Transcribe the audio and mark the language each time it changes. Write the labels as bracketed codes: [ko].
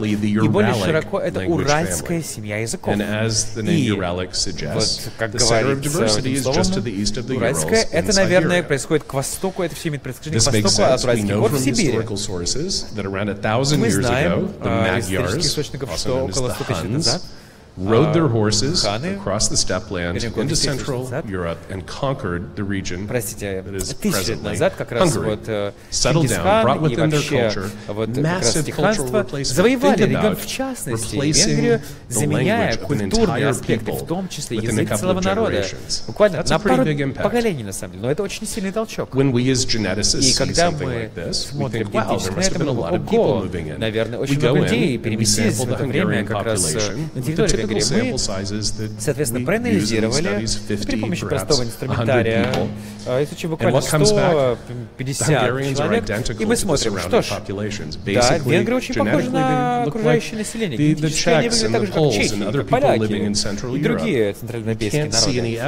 [ru] И более широко это уральская семья языков. И вот, как говорится этим словом, уральская, это, наверное, происходит к востоку, это все имеет происхождение к востоку, а уральский город в Сибири. Мы знаем из исторических источников, что около 100 тысяч лет назад [en] rode their horses across the steppe lands into central Europe and conquered the region that is presently Hungary. Settled down, brought with them their culture, massive cultural replacement. Think about replacing the language of an entire people within a couple of generations. That's a pretty big impact. When we as geneticists see something like this, we think, wow, there must have been a lot of people moving in. We go in and we sample the Hungarian population with the [ru] мы, соответственно, проанализировали при помощи простого инструментария, изучив буквально 150 человек, и мы смотрим, что ж, да, венгры очень похожи на окружающее население, генетически они выглядят так же, как чехи, как поляки и другие центральноевропейские народы.